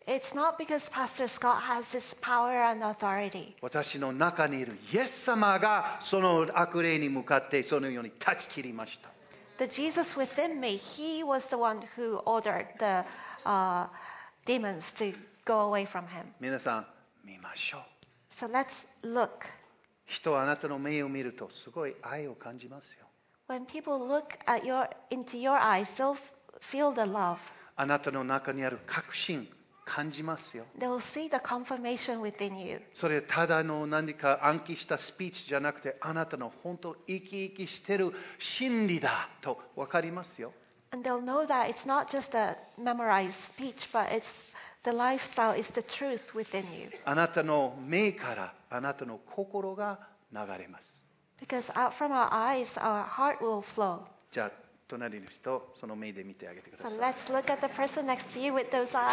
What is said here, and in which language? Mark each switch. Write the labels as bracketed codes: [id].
[en] It's not because Pastor Scott has this power and authority. [ja] 私の中にいるイエス様がその悪霊に向かってそのように断ち切りました。 [en] The Jesus within me, he was the one who ordered the demons to go away from him. [ja] 皆さん、見ましょう。 [en] So let's look. [ja] 人はあなたの目を見るとすごい愛を感じますよ。 [en] When people look at your, into your eyes, they'll feel the love. [ja] あなたの中にある確信、感じますよ。 [en] They'll see the confirmation within you. [ja] それただの何か暗記したスピーチじゃなくて、あなたの本当生き生きしてる真理だと分かりますよ。 [en] And they'll know that it's not just a memorized speech, but it's the lifestyle, it's the truth within you. [ja] あなたの目からあなたの心が流れます。 [en] Because out from our eyes, our heart will flow. [ja] じゃあ隣の人、その目で見てあげてください。 [en] So let's look at the person next to you with those eyes.